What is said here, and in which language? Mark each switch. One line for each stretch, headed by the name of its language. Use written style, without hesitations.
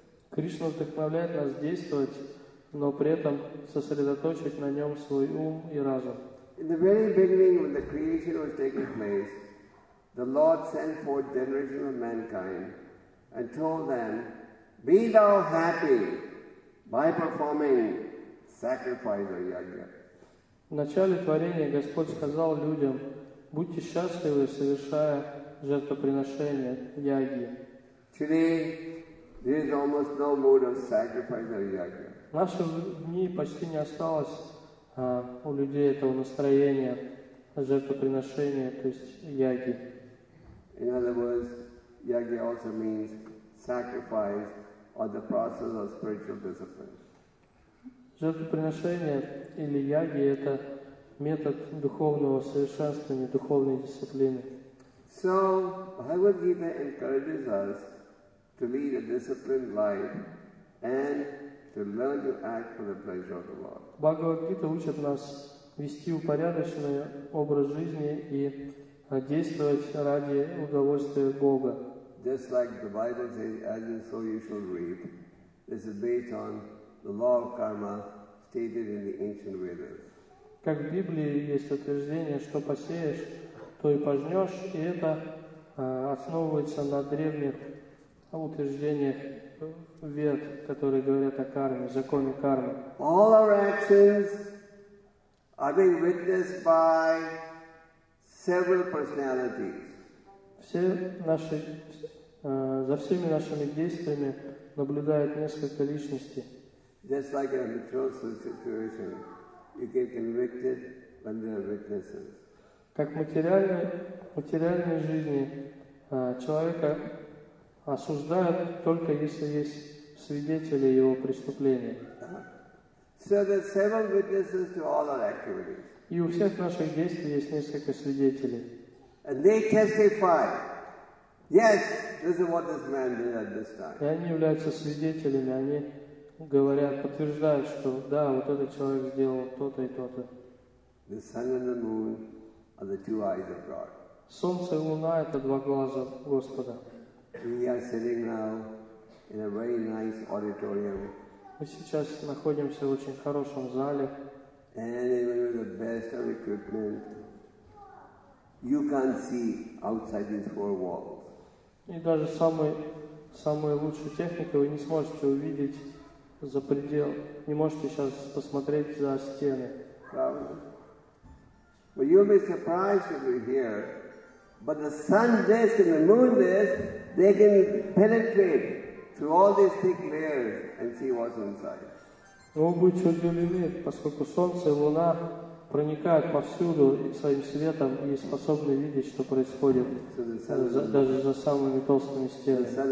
Russian: Кришна вдохновляет нас действовать, но при этом сосредоточить на нем свой ум и разум.
English: In the very beginning, when the creation was taking place, the Lord sent forth generations of mankind and told them, "Be thou happy by performing sacrifice or yajna."
Russian: В начале творения Господь сказал людям, "Будьте счастливы, совершая жертвоприношение яги."
English: Today, there is almost no mood of sacrifice or yajna.
Russian: В наши дни почти не осталось у людей этого настроения жертвоприношения, то есть яги.
English: In other words, яги also means sacrifice or the process of spiritual discipline.
Russian: Жертвоприношение или яги – это метод духовного совершенствования, духовной дисциплины.
English: So, Bhagavad Gita encourages us to lead a disciplined life and to learn to act for the pleasure of the Lord.
Russian: Bhagavad Gita учит нас вести упорядоченный образ жизни и действовать ради удовольствия Бога.
English: Just like the Bible says, as you sow, you shall reap. This is based on the law of karma stated in the ancient Vedas.
Russian: Как в Библии есть утверждение, что посеешь, то и пожнешь, и это основывается на древних утверждениях вед, которые говорят о карме, законе кармы.
English: All our actions are being witnessed by several personalities.
Russian: Все наши, за всеми нашими действиями наблюдает несколько личностей.
English: Just like in a betrothal situation, you get convicted when there are witnesses.
Russian: Как материальной жизни человека осуждают только если есть свидетели его преступления.
English: So there are several witnesses to all our activities.
Russian: И у всех наших действий есть несколько свидетелей.
English: And they testify. Yes, this is what this man did at this time.
Russian: И они являются свидетелями, они говорят, подтверждают, что да, вот этот человек сделал то-то и то-то.
English: The sun and the moon are the two eyes of God.
Russian: Солнце и луна — это два глаза Господа.
English: We are sitting now in a very nice auditorium.
Russian: Мы сейчас находимся в очень хорошем зале.
English: And even with the best of equipment, you can't see outside these four walls.
Russian: И даже самой лучшей техникой вы не сможете увидеть за предел, не можете сейчас посмотреть за стены. Правда?
English: Well, you'll be surprised if you're here. But the sun this and the moon this, they can penetrate through all these thick layers and see what's inside.
Russian: Вы будете удивлены, поскольку солнце и луна проникают повсюду своим светом и способны видеть, что происходит, даже за самыми толстыми стенами.